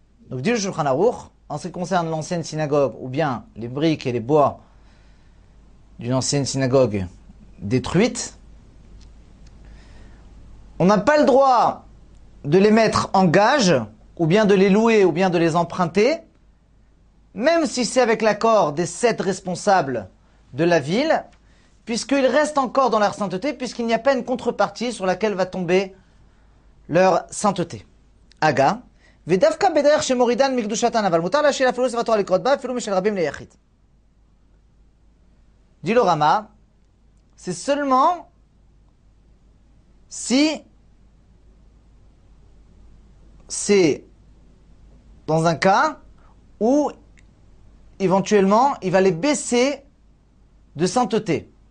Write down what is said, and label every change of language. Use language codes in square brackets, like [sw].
[fr] Donc dit le Shulchan Aruch, en ce qui concerne l'ancienne synagogue ou bien les briques et les bois d'une ancienne synagogue détruite, on n'a pas le droit de les mettre en gage ou bien de les louer ou bien de les emprunter, même si c'est avec l'accord des sept responsables de la ville, puisqu'ils restent encore dans leur sainteté, puisqu'il n'y a pas une contrepartie sur laquelle va tomber leur sainteté. Aga. [he] ודווקא בדרך שמורידן מקדושתן, אבל מותר להשאיר אפילו ספר תורה לקרות בה, אפילו משל רבים ליחיד. דיל לו רמה, זה [fr] seulement si c'est dans un cas où éventuellement il va les baisser de sainteté.